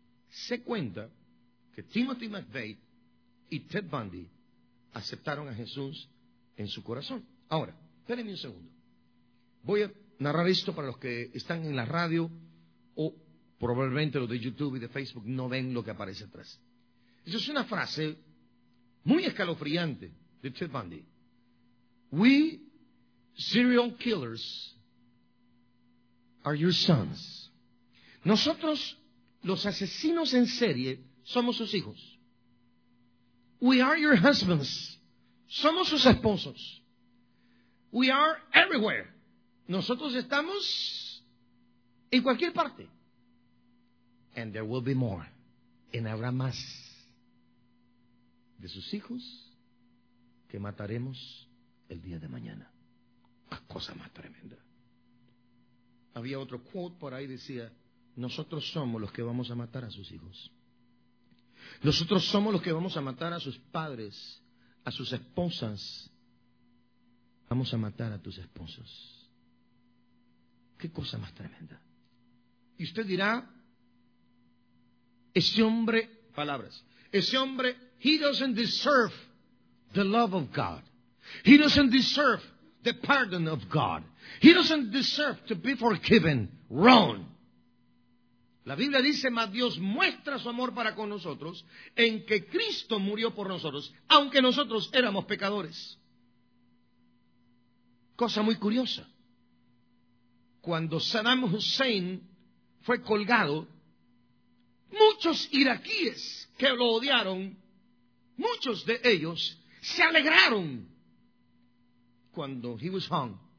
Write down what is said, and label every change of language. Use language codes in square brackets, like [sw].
[es] Se cuenta que Timothy McVeigh y Ted Bundy aceptaron a Jesús en su corazón. Ahora, espérenme un segundo. Voy a narrar esto para los que están en la radio o probablemente los de YouTube y de Facebook no ven lo que aparece atrás. Esa es una frase muy escalofriante de Ted Bundy. [en] We serial killers are your sons. [es] Nosotros, los asesinos en serie, somos sus hijos. [en] We are your husbands. [es] Somos sus esposos. [en] We are everywhere. [es] Nosotros estamos en cualquier parte. [en] And there will be more. [es] Y habrá más de sus hijos que mataremos el día de mañana. La cosa más tremenda. Había otro quote por ahí, decía, nosotros somos los que vamos a matar a sus hijos. Nosotros somos los que vamos a matar a sus padres, a sus esposas. Vamos a matar a tus esposos. ¿Qué cosa más tremenda? Y usted dirá, ese hombre, palabras, ese hombre, [en] he doesn't deserve the love of God. He doesn't deserve the pardon of God. He doesn't deserve to be forgiven. Wrong. [es] La Biblia dice, mas Dios muestra su amor para con nosotros en que Cristo murió por nosotros, aunque nosotros éramos pecadores. Cosa muy curiosa. Cuando Saddam Hussein fue colgado, muchos iraquíes que lo odiaron, muchos de ellos se alegraron cuando [en] he was hung.